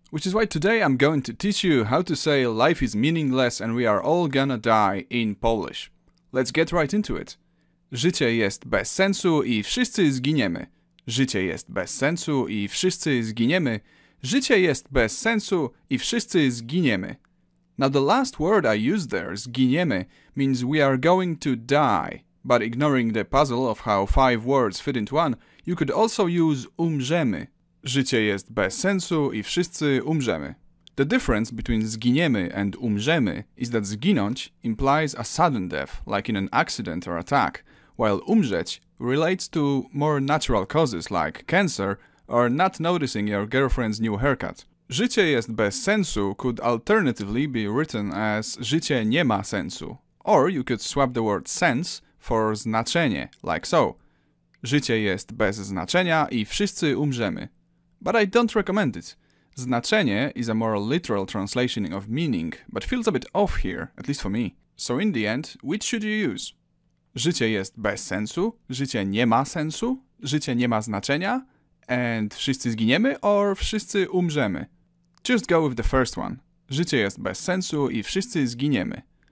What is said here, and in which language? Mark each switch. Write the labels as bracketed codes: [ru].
[en] Which is why today I'm going to teach you how to say life is meaningless and we are all gonna die in Polish. Let's get right into it. [pl] Życie jest bez sensu i wszyscy zginiemy. Życie jest bez sensu i wszyscy zginiemy. Życie jest bez sensu i wszyscy zginiemy. [en] Now the last word I used there, zginiemy, means we are going to die. But ignoring the puzzle of how five words fit into one, you could also use umrzemy. [pl] Życie jest bez sensu i wszyscy umrzemy. [en] The difference between zginiemy and umrzemy is that zginąć implies a sudden death, like in an accident or attack, while umrzeć relates to more natural causes like cancer or not noticing your girlfriend's new haircut. [pl] Życie jest bez sensu [en] could alternatively be written as [pl] życie nie ma sensu, [en] or you could swap the word sense for znaczenie, like so. [pl] Życie jest bez znaczenia i wszyscy umrzemy. [en] But I don't recommend it. Znaczenie is a more literal translation of meaning, but feels a bit off here, at least for me. So in the end, which should you use? [pl] Życie jest bez sensu, życie nie ma sensu, życie nie ma znaczenia, and wszyscy zginiemy, or wszyscy umrzemy? [en] Just go with the first one. [pl] Życie jest bez sensu i wszyscy zginiemy.